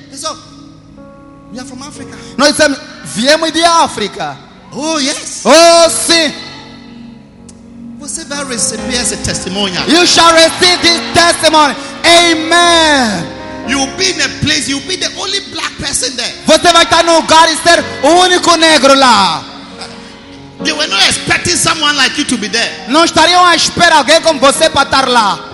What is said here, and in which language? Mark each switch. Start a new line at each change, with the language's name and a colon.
English: So, we are from Africa.
Portuguese: Nós dissemos, viemos de África.
English: Oh yes.
Portuguese: Oh sim. Você vai receber esse testemunho.
English: You shall receive this testimony. Amen. You will be in a place. You will be the only black person there.
Portuguese: Você vai estar no lugar e ser o único negro lá.
English: They were not expecting someone like you to be there.
Portuguese: Não estariam à espera alguém como você para estar lá.